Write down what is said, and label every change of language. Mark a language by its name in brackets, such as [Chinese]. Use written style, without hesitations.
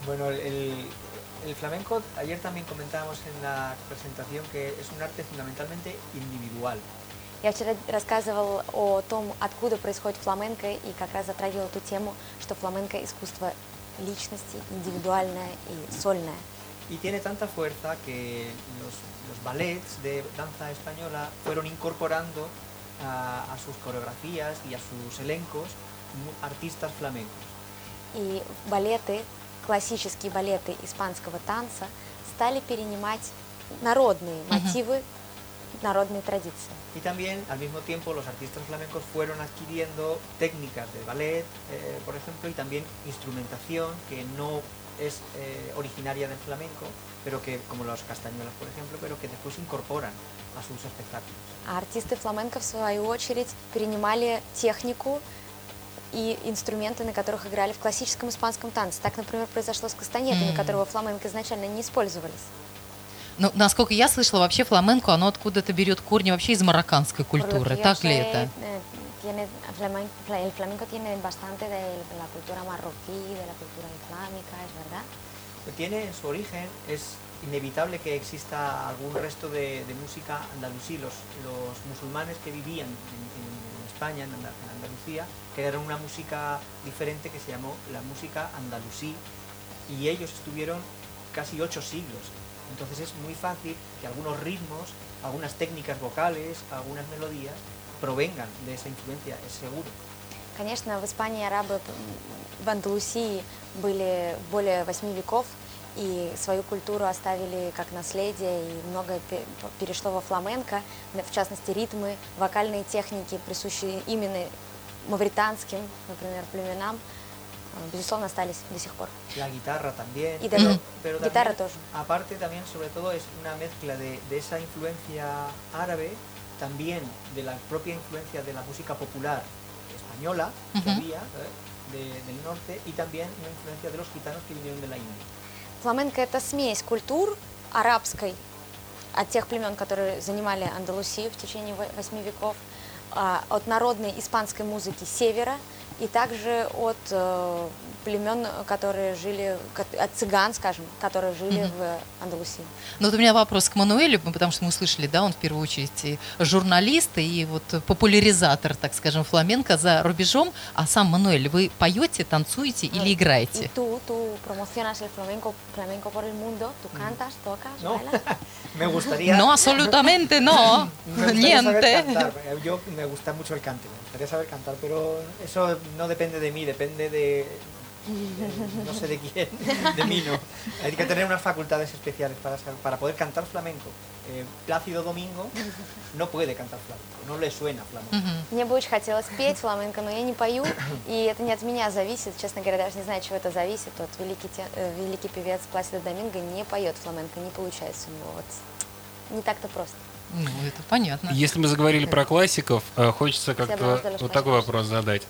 [Spanish] El flamenco, ayer también comentábamos en la presentación que es un arte fundamentalmente individual. [Russian] Я вчера рассказывал о том, откуда происходит фламенко, и как раз затрагивал ту тему, что фламенко – искусство личности, индивидуальное и сольное. [Spanish] Y tiene tanta fuerza que los ballets de danza española fueron incorporando a sus coreografías y a sus elencos artistas flamencos. [Russian] И балеты, классические балеты испанского танца стали перенимать народные мотивы, народные традиции. [Spanish] И también, al mismo tiempo, los artistas flamencos fueron adquiriendo técnicas de ballet, por ejemplo, y también instrumentación que no es originaria del flamenco, pero que, como los castañuelas, por ejemplo, pero que después incorporan a sus espectáculos. [Russian] Артисты фламенко, в свою очередь, перенимали технику и инструменты, на которых играли в классическом испанском танце. Так, например, произошло с кастаньетами, которого фламенко изначально не использовались. Ну, насколько я слышала, вообще фламенко, оно откуда-то берет корни вообще из марокканской культуры, так ли это? [Spanish] El flamenco tiene bastante de la cultura marroquí, de la cultura islámica, es verdad. Tiene en su origen, es inevitable que exista algún resto de música andalusí. Los musulmanes que vivían en España, en Andalucía, crearon una música diferente que se llamó la música andalusí, y ellos estuvieron casi 8 siglos. Entonces es muy fácil que algunos ritmos, algunas técnicas vocales, algunas melodías provengan de esa influencia, es seguro. [Russian] Конечно, в Испании арабы в Андалусии были более 8 веков и свою культуру оставили как наследие, и многое перешло во фламенко, в частности ритмы, вокальные техники, присущие именно мавританским, например, племенам, безусловно, остались до сих пор. [Spanish] La guitarra también. [Russian] И даже [Spanish] pero guitarra también, [Russian] тоже. [Spanish] Aparte también, sobre todo, es una mezcla de esa influencia árabe, también de la propia influencia de la música popular española que había del norte y también una influencia de los gitanos que vinieron de la India. [Russian] Фламенко – это смесь культур арабской от тех племен, которые занимали Андалусию в течение 8 веков, от народной испанской музыки севера и также от племен, которые жили, от цыган, скажем, которые жили в Андалусии. Ну, вот у меня вопрос к Мануэлю, потому что мы услышали, да, он в первую очередь и журналист, и вот популяризатор, так скажем, фламенко за рубежом. А сам Мануэль, вы поете, танцуете или играете? И ты промоционаешь фламенко [Spanish] por el mundo, [Russian] ты [Spanish] cantas, tocas, no. bailas? Me gustaría... No, absolutamente no, niente. Me gusta mucho el cante, me gustaría saber cantar, pero eso no depende de mí, depende de... no sé de quién, de mí no. Hay que tener unas facultades especiales para poder cantar flamenco. Plácido Domingo no puede cantar flamenco, no le suena flamenco. [Russian] Мне бы очень хотелось петь фламенко, но я не пою, и это не от меня зависит. Честно говоря, даже не знаю, чего это зависит. Вот великий певец Пласидо Доминго не поет фламенко, не получается у него. Вот не так-то просто. Ну, это понятно. Если мы заговорили про классиков, хочется как-то вот такой вопрос задать.